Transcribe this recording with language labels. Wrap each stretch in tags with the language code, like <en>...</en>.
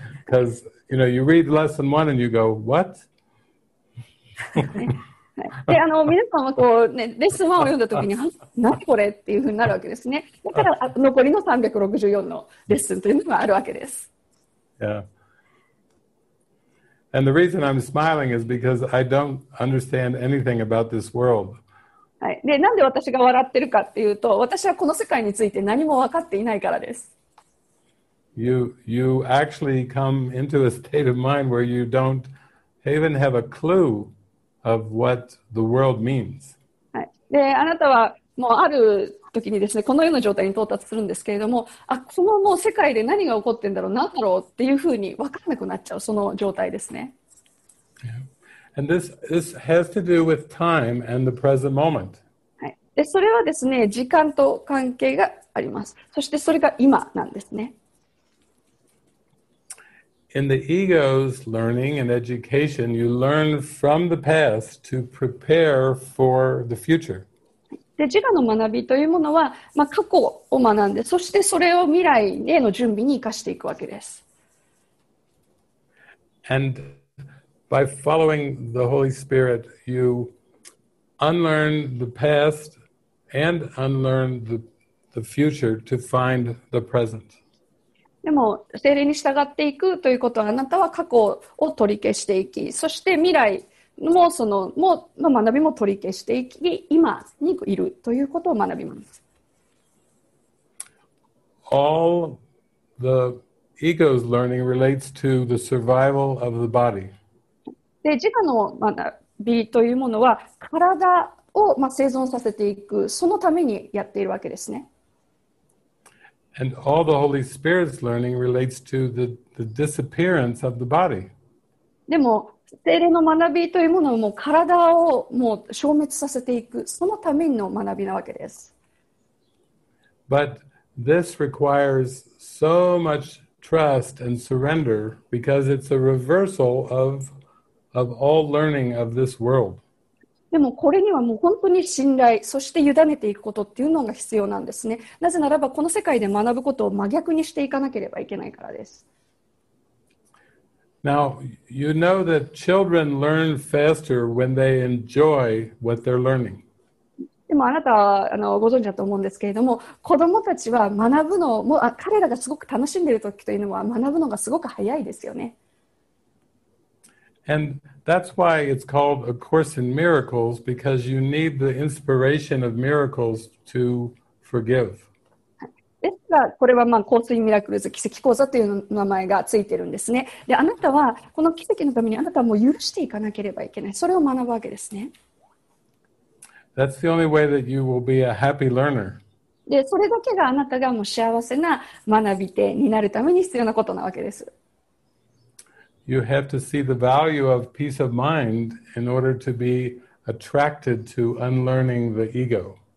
<en>Because, you know, you read lesson one and you go, what?</en> <ja>で、皆さんはこう、ね、レッスン1を読んだときに、何これっていうふうになるわけですね。だから残りの364のレッスンというのがあるわけです。</ja> <en>Yeah. And the reason I'm smiling is because I don't understand anything about this world.</en> <ja>はい。で、なんで私が笑ってるかっていうと、私はこの世界について何も分かっていないからです。</ja> <en>You actually come into a state of mind where you don't even have a clue of what the world means.</en> <ja>はい。で、あなたはもうある時にですね、このような状態に到達するんですけれども、あ、そのもう世界で何が起こってんだろう、何だろうっていうふうに分からなくなっちゃう、その状態ですね。</ja> <en>Yeah. And this has to do with time and the present moment.</en> <ja>はい。で、それはですね、時間と関係があります。そしてそれが今なんですね。</ja> <en>In the ego's learning and education, you learn from the past to prepare for the future.</en> <ja>で、自我の学びというものは、まあ、過去を学んで、そしてそれを未来への準備に生かしていくわけです。</ja> <en>And by following the Holy Spirit, you unlearn the past and unlearn the future to find the present.</en> <ja>でも、聖霊に従っていくということは、あなたは過去を取り消していき、そして未来、もうそのもうの学びも取り消していき、今にいるということを学びます。</ja> <en>All the ego's learning relates to the survival of the body.</en> <ja>で、自我の学びというものは、体を、まあ、生存させていく、そのためにやっているわけですね。</ja> <en>And all the Holy Spirit's learning relates to the disappearance of the body.</en> <ja>でも、聖霊の学びというものも体をもう消滅させていく、そのための学びなわけです。</ja> <en>But this requires so much trust and surrender because it's a reversal of all learning of this world.</en> <ja>でもこれにはもう本当に信頼、そして委ねていくことっていうのが必要なんですね。なぜならばこの世界で学ぶことを真逆にしていかなければいけないからです。</ja> <en>Now, you know that children learn faster when they enjoy what they're learning.</en> <ja>でもあなたはご存知だと思うんですけれども、子供たちは学ぶのも、彼らがすごく楽しんでいる時というのは学ぶのがすごく早いですよね。</ja> <en>And that's why it's called A Course in Miracles, because you need the inspiration of miracles to forgive.</en> <ja>ですが、これは、まあ、コースインミラクルズ奇跡講座という名前がついているんですね。で、あなたはこの奇跡のためにあなたはもう許していかなければいけない。それを学ぶわけですね。</ja> <en>That's the only way that you will be a happy learner.</en> <ja>で、それだけがあなたがもう幸せな学び手になるために必要なことなわけです。</ja> <en>You have to see the value of peace of mind in order to be attracted to unlearning the ego.</en>